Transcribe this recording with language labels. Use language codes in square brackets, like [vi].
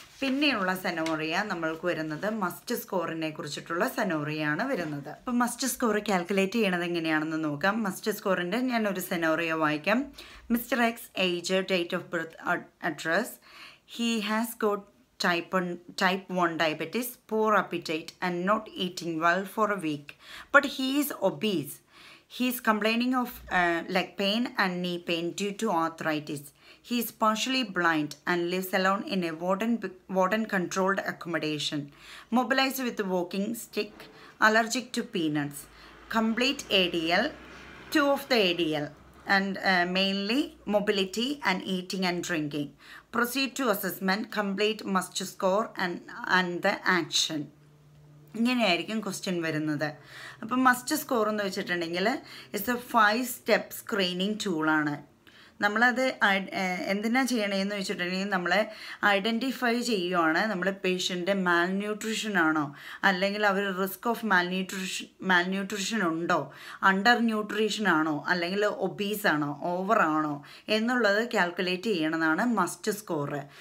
[ml] പിന്നെയുള്ള സെനോറിയ നമ്മൾക്ക് വരുന്നത് മസ്റ്റ് സ്കോറിനെ കുറിച്ചിട്ടുള്ള സെനോറിയാണ് വരുന്നത്. അപ്പം മസ്റ്റ് സ്കോർ കാൽക്കുലേറ്റ് ചെയ്യണത് എങ്ങനെയാണെന്ന് നോക്കാം. മസ്റ്റ് സ്കോറിൻ്റെ ഞാനൊരു സെനോറിയ വായിക്കാം. [en] Mister X age, date of birth, address, he has got type 1 diabetes, poor appetite and not eating well for a week, but he is obese. He is complaining of leg pain and knee pain due to arthritis. He is partially blind and lives alone in a warden controlled accommodation, mobilized with a walking stick, allergic to peanuts. Complete ADL, 2 of the ADL, and mainly mobility and eating and drinking. Proceed to assessment, complete must score and the action. [ml] ഇങ്ങനെയായിരിക്കും question വരുന്നത്. അപ്പം must score എന്ന് വെച്ചിട്ടുണ്ടെങ്കിൽ [en] it's a 5-step [ml] screening ടൂളാണ്. നമ്മളത് എന്തിനാ ചെയ്യണമെന്ന് വെച്ചിട്ടുണ്ടെങ്കിൽ നമ്മൾ ഐഡൻറ്റിഫൈ ചെയ്യുവാണ് നമ്മുടെ പേഷ്യൻ്റെ മാൽന്യൂട്രിഷൻ ആണോ, അല്ലെങ്കിൽ അവർ റിസ്ക് ഓഫ് മാൽന്യൂട്രിഷൻ ഉണ്ടോ, അണ്ടർ ന്യൂട്രീഷൻ ആണോ, അല്ലെങ്കിൽ ഒബീസ് ആണോ, ഓവർ ആണോ എന്നുള്ളത് കാൽക്കുലേറ്റ് ചെയ്യണതാണ് മസ്റ്റ് സ്കോർ.